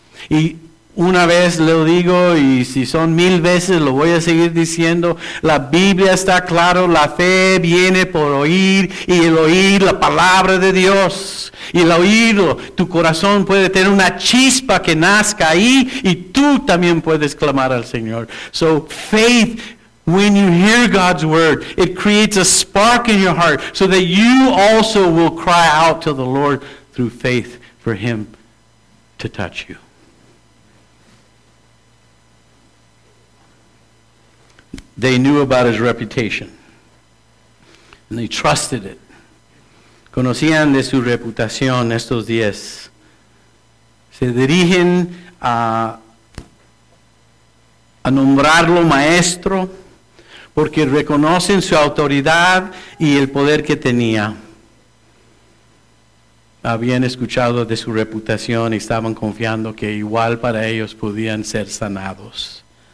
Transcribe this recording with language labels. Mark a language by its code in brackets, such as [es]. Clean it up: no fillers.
[es] Y una vez lo digo, y si son 1,000 veces lo voy a seguir diciendo, la Biblia está claro, la fe viene por oír, y el oír la palabra de Dios. Y el oírlo, tu corazón puede tener una chispa que nazca ahí, y tú también puedes clamar al Señor. [en] So faith, when you hear God's word, it creates a spark in your heart so that you also will cry out to the Lord through faith for him to touch you. They knew about his reputation, and they trusted it. [es] Conocían de su reputación estos 10. Se dirigen a nombrarlo maestro, porque reconocen su autoridad y el poder que tenía. Habían escuchado de su reputación y estaban confiando que igual para ellos podían ser sanados.